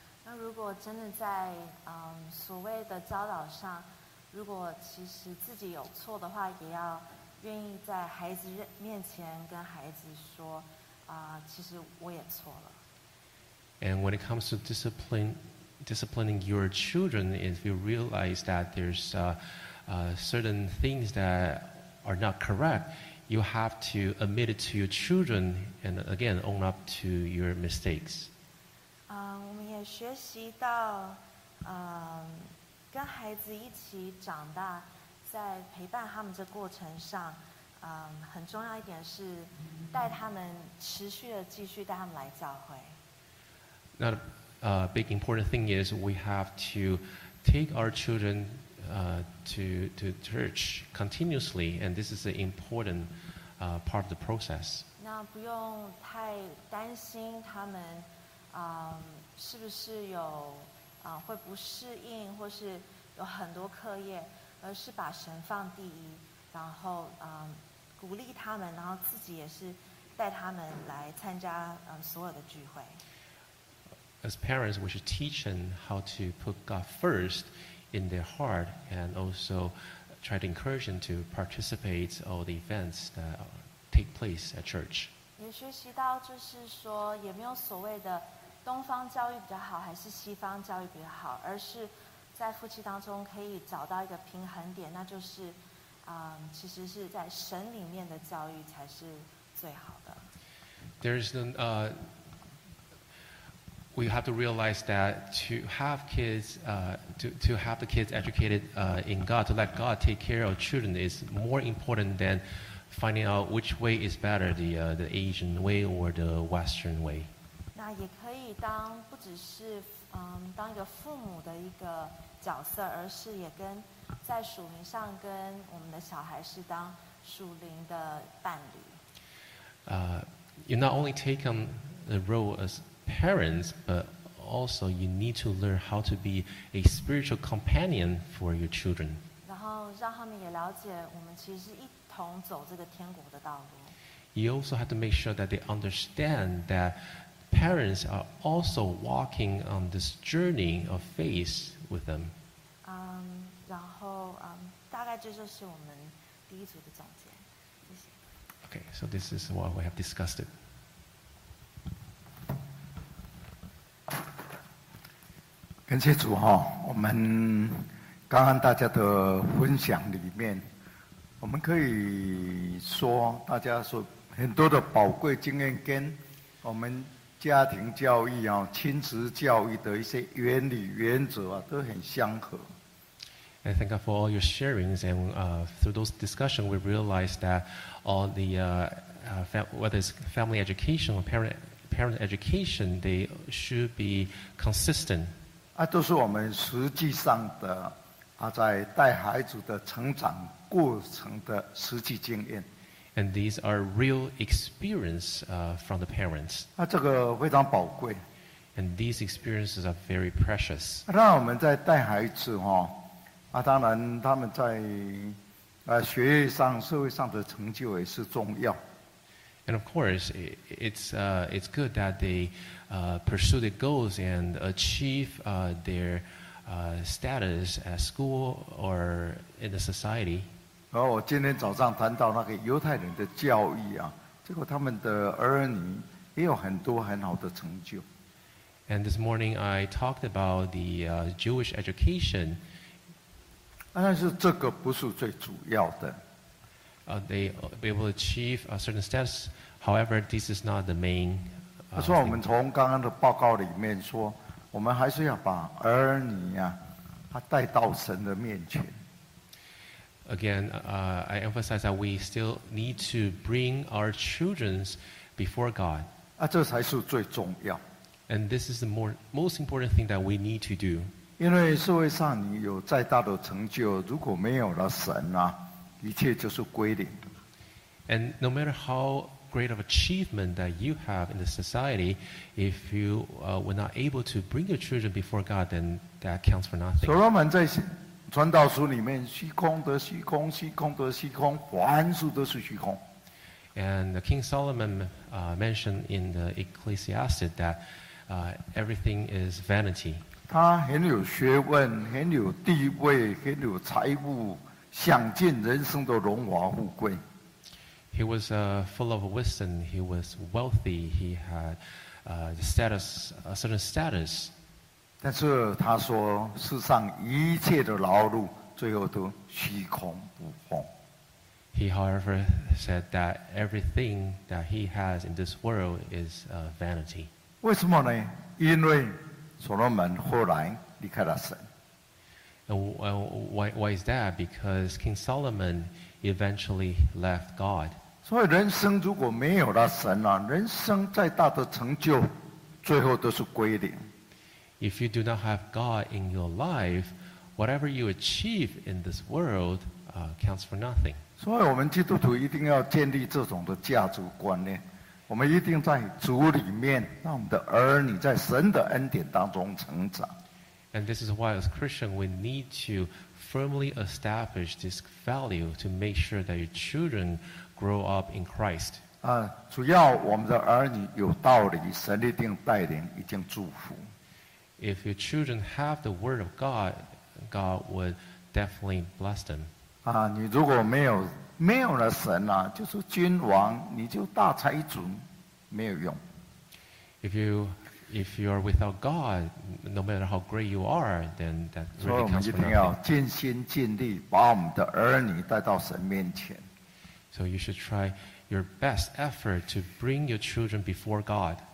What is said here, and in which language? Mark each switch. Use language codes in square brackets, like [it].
[zh] 那如果真的在, 所谓的教导上, 如果其实自己有错的话, 也要愿意在孩子面前跟孩子说, 其实我也错了。 [en] And when it comes to disciplining your children, if you realize that there's certain things that are not correct, you have to admit it to your children and again own up to your mistakes. [zh] 我们也学习到 跟孩子一起长大 在陪伴他们的过程上 很重要一点是 带他们持续的继续带他们来教会。 [en] Now, a big important thing is we have to take our children to church continuously, and this is an important part of the process. [zh] 那不用太担心他们 是不是有会不适应，或是有很多课业，而是把神放第一，然后鼓励他们，然后自己也是带他们来参加所有的聚会。 [en] As parents, we should teach them how to put God first in their heart, and also try to encourage them to participate in all the events that take place at church. [zh] 也学习到就是说，也没有所谓的 东方教育比较好还是西方教育比较好，而是在夫妻当中可以找到一个平衡点，那就是其实是在神里面的教育才是最好的。 [en] There's an, we have to realize that to have kids, to have the kids educated, in God, to let God take care of children is more important than finding out which way is better, the Asian way or the Western way. [zh] 那也可以当不只是当一个父母的一个角色，而是也跟在属灵上跟我们的小孩是当属灵的伴侣。 [en] You not only take on the role as parents, but also you need to learn how to be a spiritual companion for your children. [zh] 然后让他们也了解我们其实是一同走这个天国的道路。 [en] You also have to make sure that they understand that parents are also walking on this journey of faith with them. [zh] 然后大概这就是我们第一组的总结。 [en] Okay, so this is what we have discussed. It. Thank you, Lord. We, just now, everyone's sharing, we can say that everyone's many valuable experience and our family education, parental education, some principles and principles are very similar. And thank you for all your sharings. And through those discussions, we realized that. All the whether it's family education or parent education, they should be consistent. [zh] 啊，都是我们实际上的啊，在带孩子的成长过程的实际经验。 [en] And these are real experience from the parents. [zh] 啊，这个非常宝贵。 [en] And these experiences are very precious. [zh] 那我们在带孩子哈，啊，当然他们在。学业上、社会上的成就也是重要。 [en] And of course, it's good that they pursue the goals and achieve their status at school or in the society. [zh] 然后我今天早上谈到那个犹太人的教育啊，结果他们的儿女也有很多很好的成就。 [en] And this morning I talked about the Jewish education. [zh] 但是这个不是最主要的。 [en] They be able to achieve a certain status. However, this is not the main. [zh] 所以我们从刚刚的报告里面说，我们还是要把儿女啊，他带到神的面前。 [en] Again, I emphasize that we still need to bring our children before God. [zh] 这才是最重要。 [en] And this is the most important thing that we need to do. [zh] 因为社会上你有再大的成就，如果没有了神啊，一切就是归零。 [en] And no matter how great of achievement that you have in the society, if you were not able to bring your children before God, then that counts for nothing. [zh] 所罗门在传道书里面，虚空得虚空，虚空得虚空，凡事都是虚空。 [en] And King Solomon mentioned in the Ecclesiastes that everything is vanity. [zh] 他很有学问，很有地位，很有财富，享尽人生的荣华富贵。 [en] He was full of wisdom. He was wealthy. He had a certain status. [zh] 但是他说，世上一切的劳碌，最后都虚空不空。 [en] He, however, said that everything that he has in this world is vanity. [zh] 为什么呢？因为所罗门后来离开了神。 [en] And why is that? Because King Solomon eventually left God. [zh] 所以人生如果没有了神啊，人生再大的成就，最后都是归零。 [en] If you do not have God in your life, whatever you achieve in this world counts for nothing. [zh] 所以我们基督徒一定要建立这种的价值观念。我们一定在主里面，让我们的儿女在神的恩典当中成长。 [en] And this is why, as Christian, we need to firmly establish this value to make sure that your children grow up in Christ. [zh] 主要我们的儿女有道理，神一定带领，一定祝福。 [en] If your children have the word of God, God would definitely bless them. [zh] 你如果没有了神啊，就是君王，你就大财主，没有用。 [en] If you if you are without God, no matter how great you are, then that really counts for nothing. So you should try your best effort to bring your children before God.